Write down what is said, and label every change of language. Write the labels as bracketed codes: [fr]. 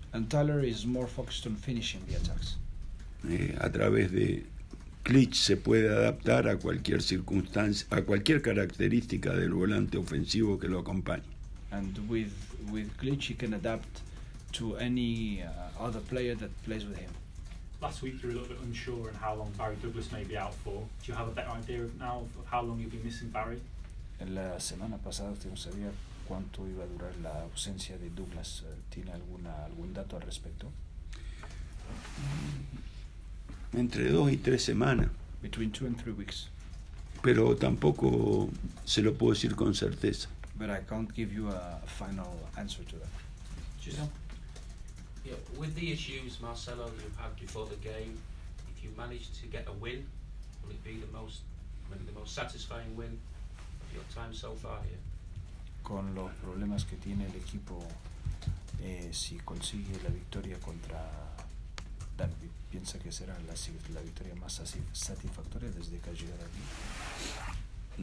[en] And Tyler is more focused on finishing the attacks. [es] A través de Klitsch se puede adaptar a cualquier circunstancia, a cualquier característica del volante ofensivo que lo acompañe. [en] And with Klitsch he can adapt to any other player that plays with him. Last week you were a little bit unsure on how long Barry Douglas may be out for. Do you have a better idea now of how long you'll be missing Barry? [es] La semana pasada usted no sabía cuánto iba a durar la ausencia de Douglas. ¿Tiene algún dato al respecto? Entre dos y tres semanas. [en] Between two and three weeks. [es] Pero tampoco se lo puedo decir con certeza. [en] But I can't give you a final answer to that. Yeah, with the issues, Marcelo, you've had before the game, if you manage to get a win, will it be the most satisfying win of your time so far here? [es] Con los problemas que tiene el equipo, si consigue la victoria contra Danby, ¿piensa que será la victoria más satisfactoria desde que ha llegado aquí?